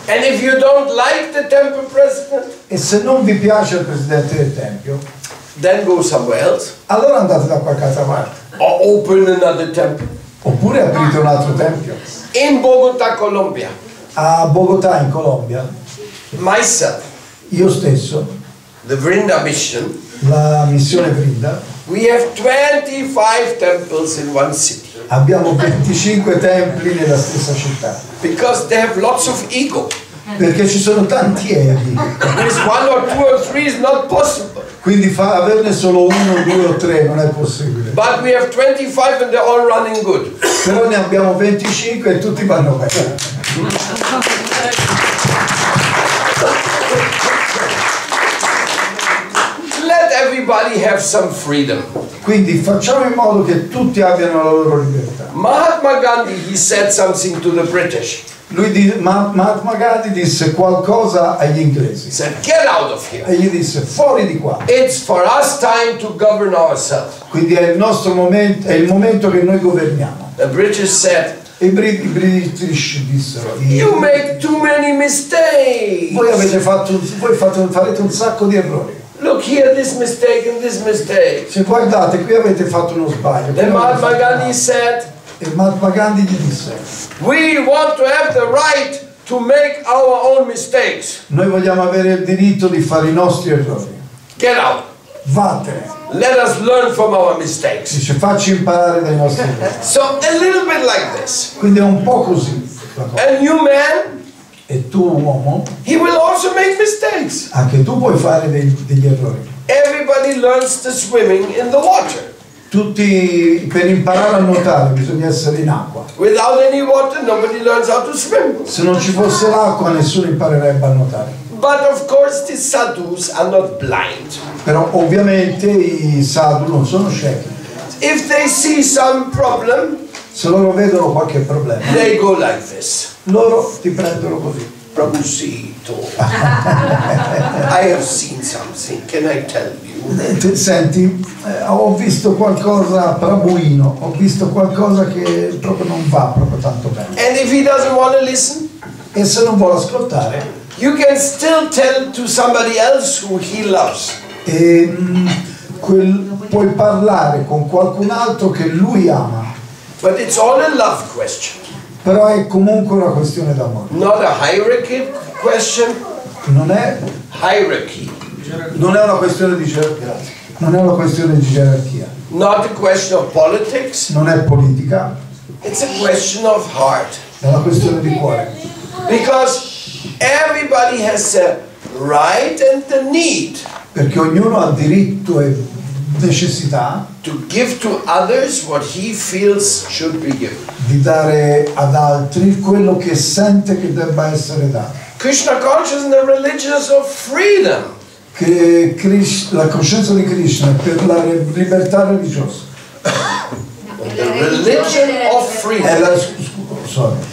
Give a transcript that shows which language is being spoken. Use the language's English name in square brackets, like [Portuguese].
[English] And if you don't like the temple president, [Italian] e se non vi piace il presidente del tempio, [English] then go somewhere else. [Italian] Allora andate da qualche altra parte. [English] Or open another temple. [Italian] Oppure aprite un altro tempio. [English] In Bogotà, Colombia. [Italian] A Bogotà, in Colombia. [English] Myself. [Italian] Io stesso. [English] The Vrinda Mission. [Italian] La missione Vrinda. [English] We have 25 temples in one city. [Italian] Abbiamo 25 templi nella stessa città. [English] Because they have lots of ego. [Italian] Perché ci sono tanti eri. [English] One or two or three is not possible. [Italian] Quindi averne solo uno, due o tre non è possibile. [English] But we have 25 and they're all running good. [Italian] Però ne abbiamo 25 e tutti vanno bene. [English] Let everybody have some freedom. [Italian] Quindi facciamo in modo che tutti abbiano la loro libertà. [English] Mahatma Gandhi, he said something to the British. [Italian] Lui di Mahatma Gandhi disse qualcosa agli inglesi. [English] Said get out of here. [Italian] E gli disse fuori di qua. [English] It's for us time to govern ourselves. [Italian] Quindi è il nostro momento, è il momento che noi governiamo. [English] The British said. [Italian] I British dissero. [English] You make too many mistakes. [Italian] Voi farete un sacco di errori. [English] Look here, this mistake and this mistake. [Italian] Se guardate, qui avete fatto uno sbaglio. [English] The Mahatma Gandhi said. [Italian] E Mahatma Gandhi gli disse. [English] We want to have the right to make our own mistakes. [Italian] Noi vogliamo avere il diritto di fare i nostri errori. [English] Get out. [Italian] Vattene. [English] Let us learn from our mistakes. [Italian] Dice, facci imparare dai nostri errori. [English] So a little bit like this. [Italian] Quindi è un po' così. [English] A new man. [Italian] E tu uomo. [English] He will also make mistakes. [Italian] Anche tu puoi fare degli errori. [English] Everybody learns to swimming in the water. [Italian] Tutti per imparare a nuotare bisogna essere in acqua. [English] Without any water, nobody learns how to swim. [Italian] Se non ci fosse l'acqua, nessuno imparerebbe a nuotare. [English] But of course, the sadhus are not blind. [Italian] Però ovviamente i sadhu non sono ciechi. [English] If they see some problem, [Italian] se loro vedono qualche problema, [English] they go like this. [Italian] Loro ti prendono così. [English] Prabusito. I have seen something. Can I tell you? [Italian] Senti, ho visto qualcosa, Prabuino. Ho visto qualcosa che proprio non va proprio tanto bene. [English] And if he doesn't want to listen, [Italian] e se non vuole ascoltare, [English] you can still tell to somebody else who he loves. [Italian] E puoi parlare con qualcun altro che lui ama. [English] But it's all a love question. [Italian] Però è comunque una questione d'amore. [English] Not a hierarchy question. [Italian] Non è [English] hierarchy. [Italian] Non è una questione di gerarchia. Non è una questione di gerarchia. [English] Not a question of politics. [Italian] Non è politica. [English] It's a question of heart. [Italian] È una questione di cuore. [English] Because everybody has the right and the need. [Italian] Perché ognuno ha diritto e necessità [English] to give to others what he feels should be given. [Italian] Di dare ad altri quello che sente che debba essere dato. [English] Krishna consciousness is the religion of freedom. [Italian] La coscienza di Krishna è per la libertà religiosa. [English] The religion of freedom.